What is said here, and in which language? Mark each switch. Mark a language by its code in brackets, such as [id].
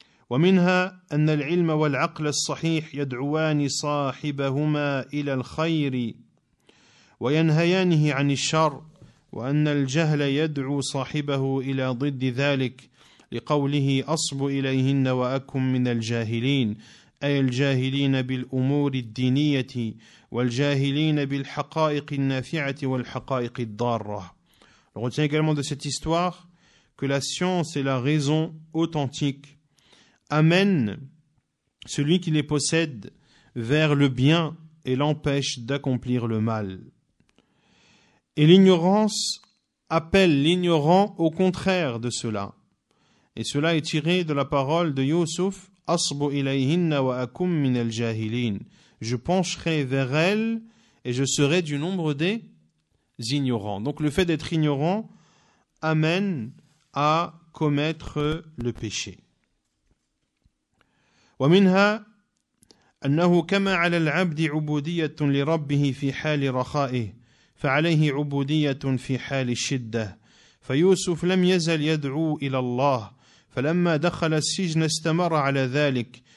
[ar] ومنها أن العلم والعقل الصحيح يدعوان صاحبهما إلى الخير وينهيانه عن الشر وأن الجهل يدعو صاحبه إلى ضد ذلك لقوله أصب إليهن وأكن من الجاهلين أي الجاهلين بالأمور الدينية والجاهلين بالحقائق النافعة والحقائق الضارة. [fr] Retenez également de cette histoire que la science et la raison authentique amènent celui qui les possède vers le bien et l'empêche d'accomplir le mal. Et l'ignorance appelle l'ignorant au contraire de cela. Et cela est tiré de la parole de Yusuf, « [ar] Asbu ilayhinna wa akum min al-jahilin [fr] »« Je pencherai vers elle et je serai du nombre des ignorants. » Donc le fait d'être ignorant amène à commettre le péché. [ar] ومنها أنه كما على العبد عبودية لربه في حال رخائه فعليه عبودية في حال الشدة فيوسف لم يزل يدعو إلى الله فلما دخل السجن استمر على ذلك